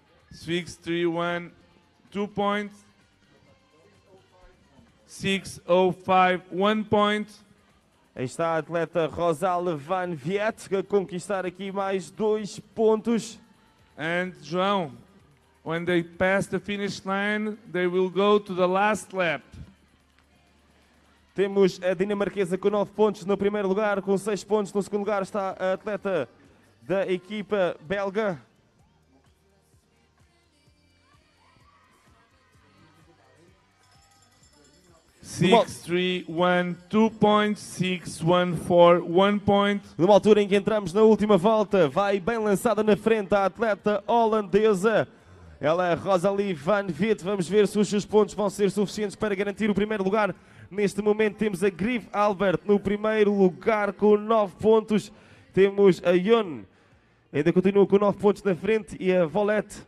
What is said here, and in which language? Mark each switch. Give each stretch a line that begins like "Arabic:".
English: 6, 3, 1, 2 points. 6, 0, 5, 1 point.
Portuguese: Aí está a atleta Rosale Van Viet a conquistar aqui mais 2 pontos.
English: And João, when they pass the finish line, they will go to the last lap.
Portuguese: Temos a dinamarquesa com 9 pontos no primeiro lugar, com 6 pontos no segundo lugar está a atleta da equipa belga.
English: Six, three, one, 2 points, 6, 1, 4, 1 point.
Portuguese: Numa altura em que entramos na última volta, vai bem lançada na frente a atleta holandesa. Ela é Rosalie Van Viet. Vamos ver se os seus pontos vão ser suficientes para garantir o primeiro lugar. Neste momento temos a Grieve Albert no primeiro lugar com 9 pontos. Temos a Yon, ainda continua com 9 pontos na frente. E a Volet